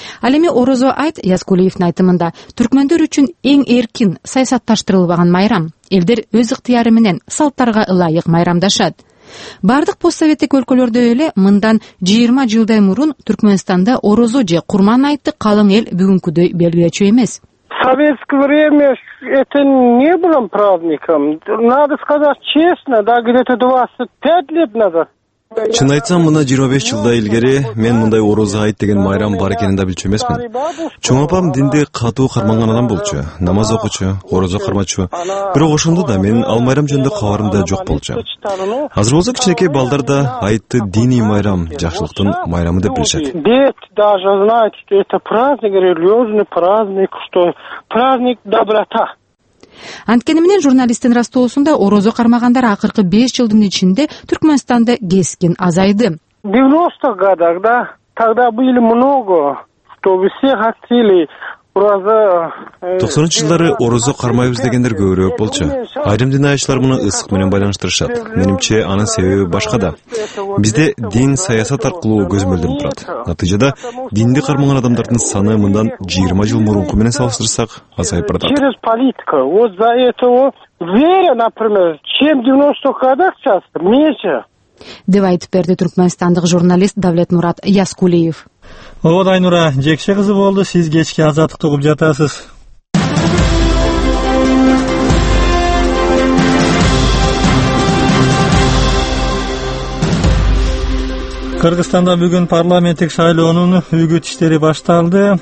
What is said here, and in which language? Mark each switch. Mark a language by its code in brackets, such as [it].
[ky] Ал эми Орозо айт Яскулиевдин айтымында түркмөндөр үчүн эң эркин саясатташтырылбаган майрам. Элдер өз ыктыяры менен салттарга ылайык майрамдашат. Бардык постсоветтик өлкөлөрдө эле мындан 20 жылдай мурун Түркмөнстанда орозо же курман айтты калың эл бүгүнкүдөй белгилечү эмес. [ru] В советское время это не было праздником. Надо сказать честно, да где-то 25 лет назад. [ky] Чын айтсам, мына 25 жылдай илгери мен мындай орозо айт деген майрам бар экенин да билчү эмесмин. Чоң апам динди катуу карманган адам болчу, намаз окучу, орозо кармачу. Бирок ошондо да менин ал майрам жөнүндө кабарым да жок болчу. Азыр болсо кичинекей балдар да айтты диний майрам, жакшылыктын майрамы деп билишет. [ru] Дети даже знают, что это праздник, религиозный праздник, что праздник доброта. [ky] Анткени менен журналисттин ырастоосунда орозо кармагандар акыркы 5 жылдын ичинде Түркмөнстанда кескин азайды. [ru] 90-х годах, да, тогда были много, что все хотели Ураза [ky] 90-жылдары орозу кармайбыз дегендер көбүрөөк болчу. Айрым дин аячылар муну ысык менен байланыштырышат. Менимче анын себеби башка да. Бизде дин саясат аркылуу көзөмөлдөнүп турат. Натыйжада динди кармаган адамдардын саны мындан 20 жыл мурунку менен салыштырсак азайып баратат. [ru] Через политика. Вот за этого вера, например, чем 90 годах сейчас меньше. [ky] Деп айтып берди түркмөнстандык журналист Давлет Мурат Яскулиев. Ооба, Айнура, жекше кызы болду, сиз кечке азаттыкты угуп жатасыз. Кыргызстанда бүгүн парламенттик шайлоонун үгүт иштери башталды.